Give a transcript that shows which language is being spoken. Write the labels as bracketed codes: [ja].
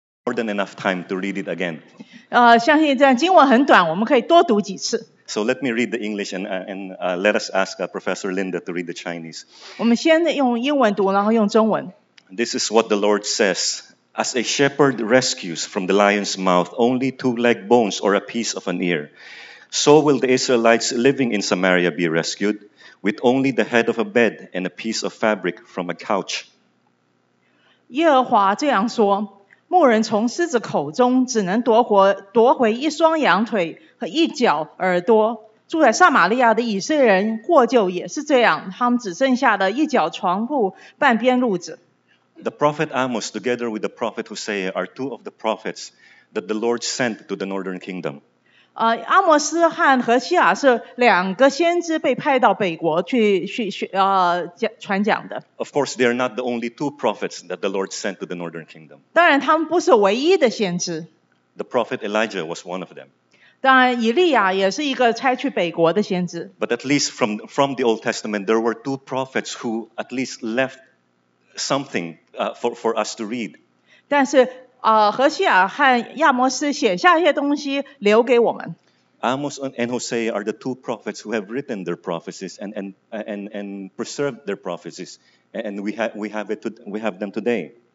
[en] more than enough time to read it again. [zh] 相信这样经文很短，我们可以多读几次。 [en] So let me read the English and let us ask Professor Linda to read the Chinese. [zh] 我们先用英文读，然后用中文。 [en] This is what the Lord says. As a shepherd rescues from the lion's mouth only two leg bones or a piece of an ear, so will the Israelites living in Samaria be rescued with only the head of a bed and a piece of fabric from a couch. [zh] 耶和华这样说，牧人从狮子口中只能夺回一双羊腿和一角耳朵。住在撒玛利亚的以色列人获救也是这样，他们只剩下的一角床铺半边褥子。 [en] The prophet Amos, together with the prophet Hosea, are two of the prophets that the Lord sent to the northern kingdom. [zh] 阿摩斯和何西阿是两个先知被派到北国去传讲的。 [en] Of course, they are not the only two prophets that the Lord sent to the northern kingdom. [zh] 当然，他们不是唯一的先知。 [en] The prophet Elijah was one of them. [zh] 当然，以利亚也是一个差去北国的先知。 [en] But at least from the Old Testament, there were two prophets who at least left. Something for us to read. [zh] 但是何西阿和亚摩斯写下一些东西留给我们。 [en] Amos and Hosea are the two prophets who have written their prophecies and preserved their prophecies, and we have them today.